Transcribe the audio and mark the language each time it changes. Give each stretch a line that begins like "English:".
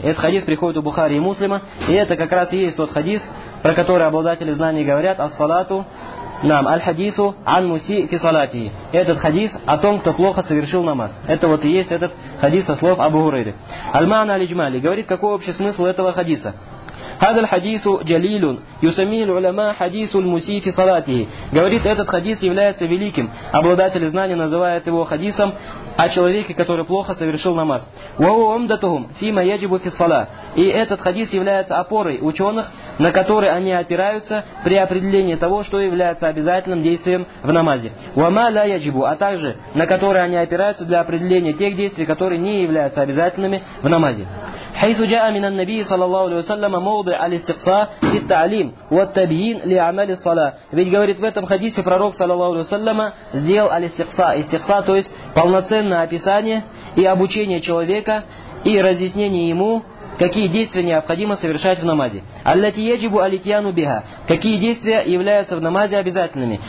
Russian: Этот хадис приходит у Бухари и Муслима, и это как раз и есть тот хадис, про который обладатели знаний говорят:
Arabic: ас-салату нам аль-хадису ан муси фи салатии.
Russian: Этот хадис о том, кто плохо совершил намаз. Это вот и есть этот хадис со слов Абу Хурайры. Аль-Маана аль-Иджмали говорит, какой общий смысл этого хадиса.
Arabic: هذا الحديث جليل يسميه العلماء حديث المسيء في صلاته.
Russian: Говорит, этот хадис является великим. Обладатели знания называют его хадисом о человеке, который плохо совершил намаз.
Arabic: وهو عمدتهم فيما يجب في الصلاة.
Russian: И этот хадис является опорой ученых, на который они опираются при определении того, что является обязательным действием в намазе.
Arabic: وما لا يجب,
Russian: а также на который они опираются для определения тех действий, которые не являются обязательными в намазе.
Arabic: حيث جاء من النبي صلى الله عليه وسلم موضع الاستقصاء في التعليم والتبيين لأعمال الصلاة.
Russian: Ведь говорит, в этом хадисе пророк саллаллаху алейхи ва саллама сделал алистиқса. Истиқса, то есть полноценное описание и обучение человека и разъяснение ему, какие действия необходимо совершать в намазе.
Arabic: Аллати яджибу алитьяну биха.
Russian: Какие действия являются в намазе обязательными.